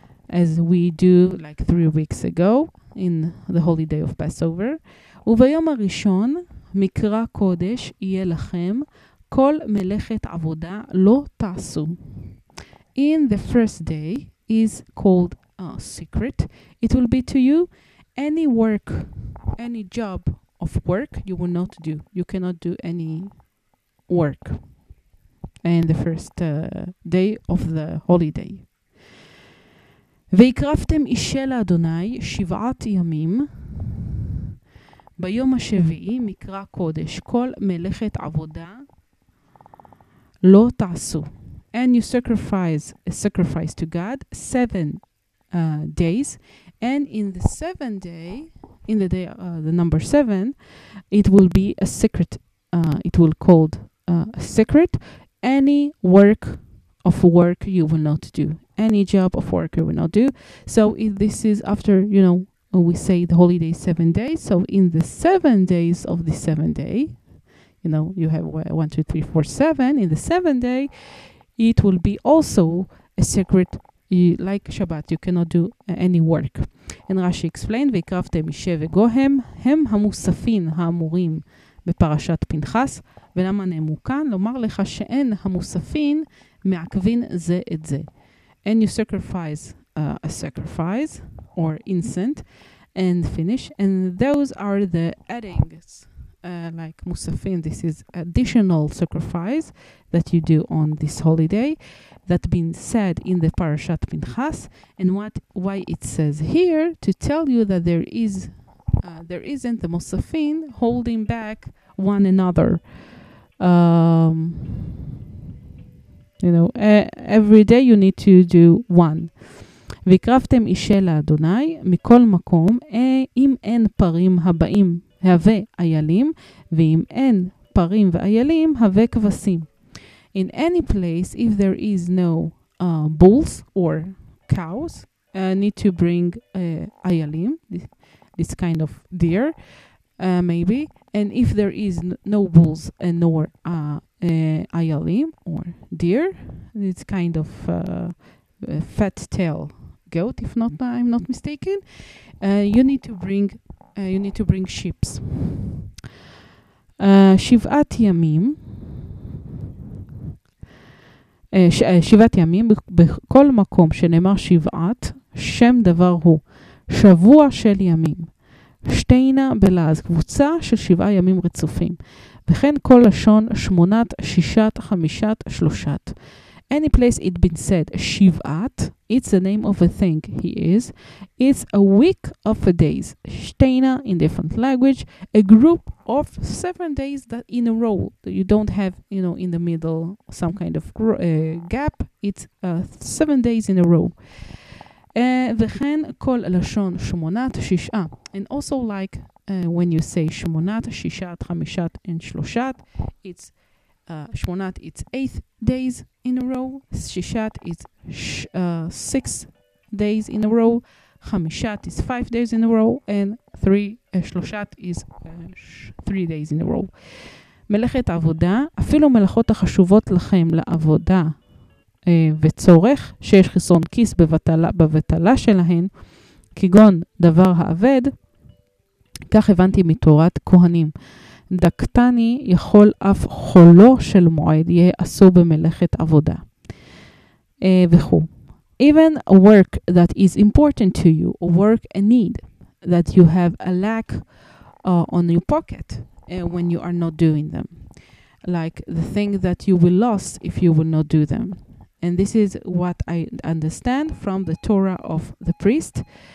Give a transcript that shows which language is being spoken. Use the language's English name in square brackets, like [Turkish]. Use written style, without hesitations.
[English] as we do like 3 weeks ago in the holiday of Passover. [Hebrew] וביום הראשון מקרא קודש יהיה לכם, כל מלאכת עבודה לא תעשו. [English] In the first day is called secret, it will be to you any work, any job of work you will not do. You cannot do any work in the first day of the holiday. [Hebrew] והקרבתם אישה לאדוני שבעת ימים, ביום השביעי מקרא קודש, כל מלאכת עבודה לא תעשו. [English] And you sacrifice a sacrifice to God 7 days, and in the 7th day, in the day the number 7, it will be a secret, it will called a secret, any work of work you will not do, any job of work you will not do. So if this is after, you know, we say the holiday 7 days, so in the 7 days of the 7th day, you know, you have 1 2 3 4 7, in the 7th day it will be also a secret. You like Shabbat, you cannot do any work. And Rashi explained, [Hebrew] והקרבתם אישה וגוהם, הם המוספין האמורים בפרשת פנחס, ולמה נאמו כאן? לומר לך שאין המוספין מעכבין זה את זה. [English] And you sacrifice a sacrifice or incense and finish, and those are the addings, like מוספין, this is additional sacrifice that you do on this holiday, that been said in the Parashat Pinchas. And why it says here, to tell you that there isn't the Mosafin holding back one another. You know, every day you need to do one. [Hebrew] וקרבתם אישה לאדוני מכל מקום, אם אין פרים הבאים, הווה איילים, ואם אין פרים ואיילים, הווה כבשים. [English] In any place, if there is no bulls or cows need to bring ayalim, this kind of deer, maybe. And if there is no bulls and nor ayalim or deer, this kind of fat tail goat, if not I'm not mistaken, you need to bring sheep. [Hebrew] Shivat yamim. שבעת ימים, בכל מקום שנאמר שבעת, שם דבר הוא, שבוע של ימים. שטיינה בלעז, קבוצה של שבעה ימים רצופים. וכן כל לשון, שמונת, שישת, חמישת, שלושת. [English] Any place it been said, שבעת, it's the name of a thing, he is. It's a week of a days. שטיינה, in different language, a group of 7 days that in a row. You don't have, you know, in the middle some kind of gap. It's 7 days in a row. [Hebrew] וכן כל לשון שמונת שישה. [English] And also like when you say שמונת, שישת, חמישת, and שלושת, it's שמונת, it's 8 days in a row. שישת, it's 6 days in a row. חמישת is 5 days in a row, and שלושת is 3 days in a row. [Hebrew] מלאכת עבודה, אפילו מלאכות החשובות לכם לעבודה וצורך שיש חיסון כיס בבטלה שלהן, כגון דבר העבד, כך הבנתי מתורת כהנים. דקטני יכול אף חולו של מועד יהיה אסור במלאכת עבודה. וכו'. [English] Even a work that is important to you, a work, a need, that you have a lack on your pocket when you are not doing them. Like the thing that you will lose if you will not do them. And this is what I understand from the Torah of the priest.